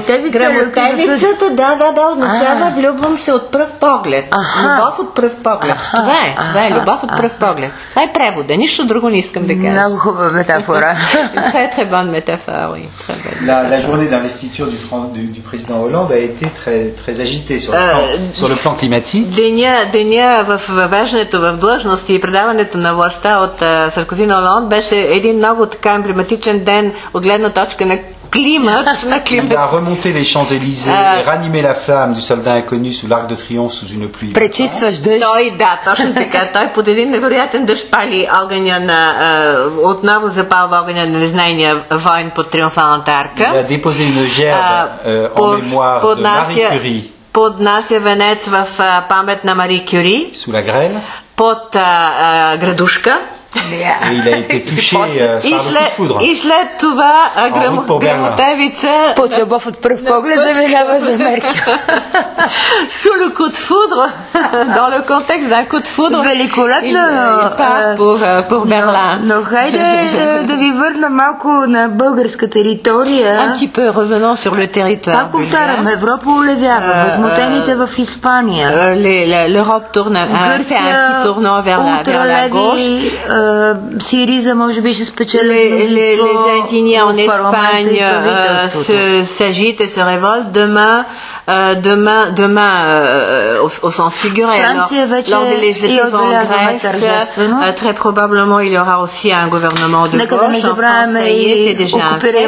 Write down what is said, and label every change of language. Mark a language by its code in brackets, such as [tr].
[bg] Грамотевицата, означава влюбвам се от пръв поглед. Любов от пръв поглед. Това е любов от пръв поглед. Това е превода. Нищо друго не искам да кажа. Много хубава метафора. [fr] Très bonne métaphore. La journée d'investiture du président Hollande a été très agitée sur le plan climatique. [bg] Деня в въвеждането в длъжност и предаването на властта от Саркози на Холанд беше един много така емблематичен ден от гледна точка на климат. [fr] Il a remonté les Champs-Élysées, ranimé la flamme du soldat inconnu sous l'Arc de Triomphe sous une pluie. [bg] Пречистваш дъжд. Той, да, точно така. Той под един невероятен дъжд пали огъня на... отново запалва огъня на незнайния войн под Триумфалната арка. [fr] Il a déposé une gerbe en mémoire de Marie Curie. [bg] Под нас е венец в памет на Мари Кюри. [fr] Sous la grêle. [bg] Под градушка. [en] Yeah. [fr] Il a été touché par le coup de foudre. Et puis, [bg] грамотевица под любов от пръв поглед заминава за Америка. [fr] Sous le coup de foudre, dans le contexte d'un coup de foudre, [bg] великолепно, [fr] pour Berlin. [bg] Но хайде да ви върна малко на българска територия. [fr] Un petit peu revenant sur le territoire. [bg] Пак повтарям, Европа улевява, възмутените в Испания. L'Europe tourne un petit tournant vers la gauche. Сириза може би ще спечели мнозинство в парламента и правителството. [fr] Demain, au sens figuré, lors des législatives en Grèce, très probablement il y aura aussi un gouvernement de gauche. En France, ça y est, c'est déjà un fait.